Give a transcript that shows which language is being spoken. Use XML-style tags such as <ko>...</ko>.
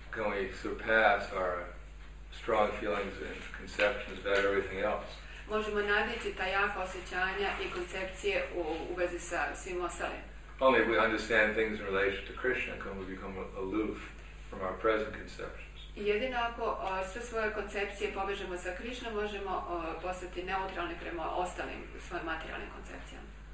<en>Can we surpass our strong feelings and conceptions about everything else?</en> <hr>Možemo nadići ta jaka osjećanja i koncepcije u vezi sa svim ostalim.</hr> <en>Only if we understand things in relation to Krishna can we become aloof from our present conceptions.</en> <hr>Jedino ako sve svoje koncepcije povežemo sa Krišnom, možemo postati neutralni prema ostalim svojim materijalnim koncepcijama.</hr>